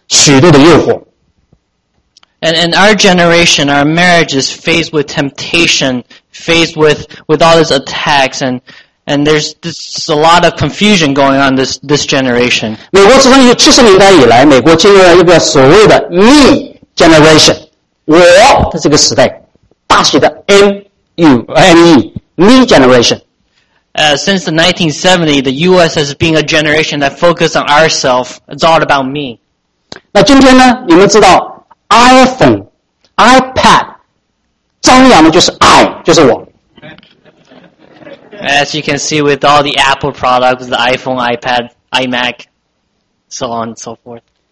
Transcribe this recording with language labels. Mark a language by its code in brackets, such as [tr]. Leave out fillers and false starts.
[zh] 对，因为今天的这个时代啊，许多的婚姻、许多的家庭面临许多的挑战、许多的诱惑。And [en] our generation, our marriage is faced with temptation, faced with all these attacks and. And there's this, a lot of confusion going on this generation. [zh] 美国自从70年代以来，美国进入了一个所谓的 [en] "me generation"， [zh] 我的这个时代，大写的 M U M E me generation. [en] Since the 1970s, the U.S. has been a generation that focused on ourselves. It's all about me. [zh] 那今天呢？你们知道 iPhone、 iPad 张扬的就是 I， 就是我。 [en] As you can see with all the Apple products, the iPhone, iPad, iMac, so on and so forth.